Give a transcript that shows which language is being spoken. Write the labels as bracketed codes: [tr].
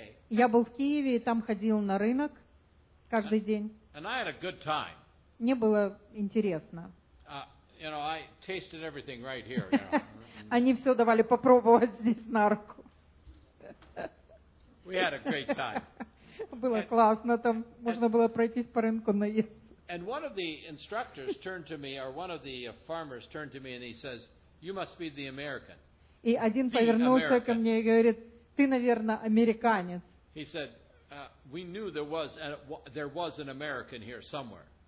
[ru] Я был в Киеве, и там ходил на рынок каждый день. [en] And I had a good time. [ru] Мне было интересно. [en] I tasted everything right here. [ru] Они все давали попробовать здесь на руку. [en] We had a great time. [ru] Было классно, там можно было пройтись по рынку, наесться. [en] And one of the instructors turned to me, or one of the farmers turned to me, and he says, "You must be the American." [ru] И один повернулся ко мне и говорит, "Ты, наверное, американец." [en] He said, "We knew there was an American here somewhere."